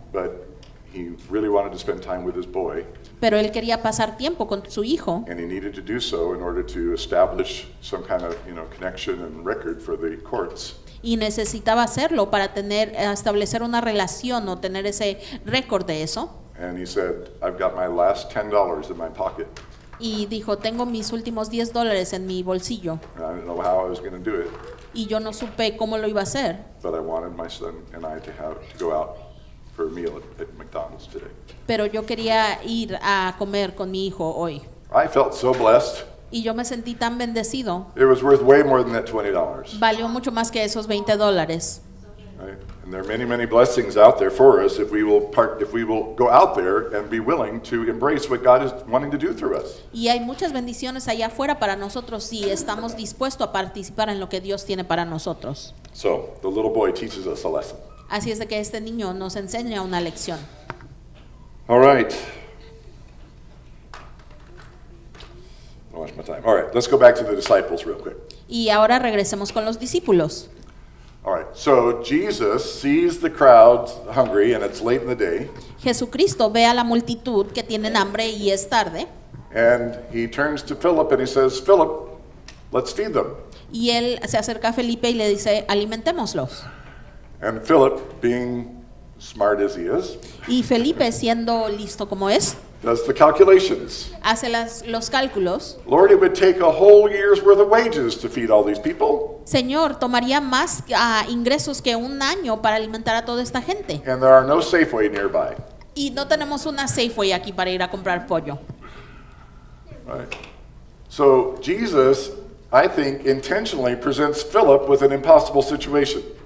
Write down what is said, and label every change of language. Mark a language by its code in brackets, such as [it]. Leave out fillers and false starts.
[en] But he really wanted to spend time with his boy. [es] Pero él quería pasar tiempo con su hijo. [en] And he needed to do so in order to establish some kind of, you know, connection and record for the courts. [es] Y necesitaba hacerlo para establecer una relación o tener ese récord de eso. [en] And he said, "I've got my last $10 in my pocket." [es] Y dijo, "Tengo mis últimos $10 en mi bolsillo." [en] And I didn't know how I was going to do it. [es] Y yo no supe cómo lo iba a hacer. [en] But I wanted my son and I to go out for a meal at McDonald's today. [es] Pero yo quería ir a comer con mi hijo hoy. [en] I felt so blessed. [es] Y yo me sentí tan bendecido. [en] It was worth way more than that $20. [es] Valió mucho más que esos $20. [en] Right? And there are many, many blessings out there for us if we will go out there and be willing to embrace what God is wanting to do through us. [es] Y hay muchas bendiciones allá afuera para nosotros si estamos dispuestos a participar en lo que Dios tiene para nosotros. [en] So, the little boy teaches us a lesson. [es] Así es de que este niño nos enseña una lección. [en] All right. Watch my time. All right, let's go back to the disciples real quick. [es] Y ahora regresemos con los discípulos. [en] All right, so Jesus sees the crowd hungry and it's late in the day. [es] Jesucristo ve a la multitud que tienen hambre y es tarde. [en] And he turns to Philip and he says, "Philip, let's feed them." [es] Y él se acerca a Felipe y le dice, "Alimentémoslos." [en] And Philip, being smart as he is. [es] Y Felipe siendo listo como es. [en] Does the calculations. [es] Hace los cálculos. [en] Lord, it would take a whole year's worth of wages to feed all these people. [es] Señor, tomaría más ingresos que un año para alimentar a toda esta gente. [en] And there are no Safeway nearby. [es] Y no tenemos una Safeway aquí para ir a comprar pollo. [en] Right. So Jesus, I think, intentionally presents Philip with an impossible situation.